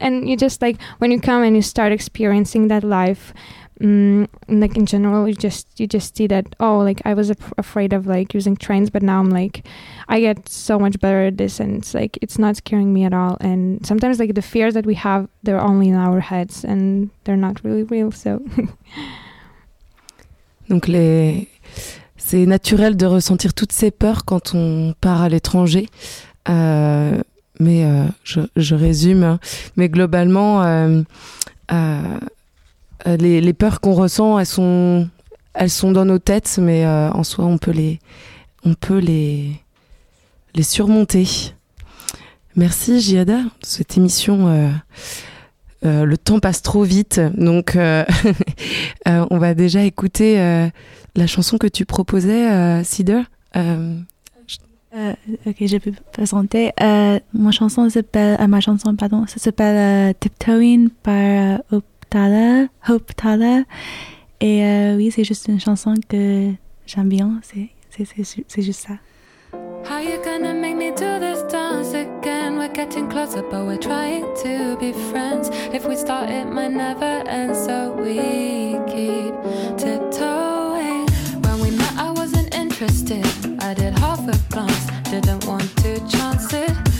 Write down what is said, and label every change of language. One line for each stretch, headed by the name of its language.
English: And you just when you come and you start experiencing that life, in general, you just see that I was afraid of using trains, but now I'm I get so much better at this, and it's not scaring me at all. And sometimes the fears that we have, they're only in our heads and they're not really real. So
French: donc c'est naturel de ressentir toutes ces peurs quand on part à l'étranger, mais je résume, mais globalement les peurs qu'on ressent, elles sont dans nos têtes, mais en soi on peut les surmonter. Merci Jihada, cette émission le temps passe trop vite, donc on va déjà écouter la chanson que tu proposais, Sida. Je peux présenter. Ma chanson s'appelle Tiptoeing par Hope Tala. Et oui, c'est juste une chanson que j'aime bien. C'est juste ça.
English: How you gonna make me do this dance again? We're getting closer, but we're trying to be friends. If we start, it might never end, so we keep tiptoeing. When we met, I wasn't interested. I did half a glance, didn't want to chance it.